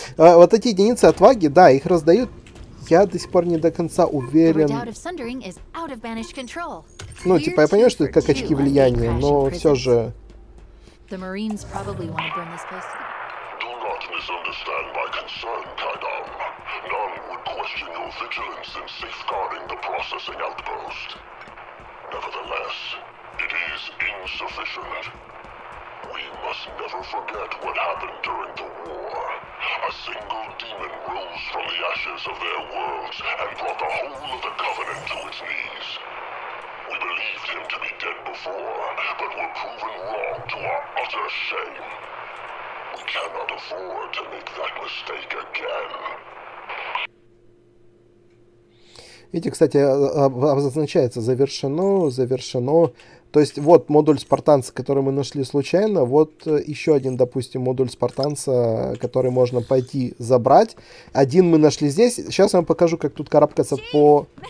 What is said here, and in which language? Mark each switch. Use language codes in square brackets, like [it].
[ru] А, вот эти единицы отваги, да, их раздают. Я до сих пор не до конца уверен. Ну, типа, я понимаю, что это как очки влияния, но все же... [en] The Marines probably want to burn this place to the... Do not misunderstand my concern, Kaidan. None would question your vigilance in safeguarding the processing outpost. Nevertheless, it is insufficient. We must never forget what happened during the war. A single demon rose from the ashes of their worlds and brought the whole of the Covenant to its knees. We believed him to be dead before, but were proven wrong to our utter shame. We cannot afford to make that mistake again. [ru] Видите, кстати, обозначается завершено, завершено. То есть вот модуль спартанца, который мы нашли случайно, вот еще один, допустим, модуль спартанца, который можно пойти забрать. Один мы нашли здесь. Сейчас я вам покажу, как тут карабкаться по...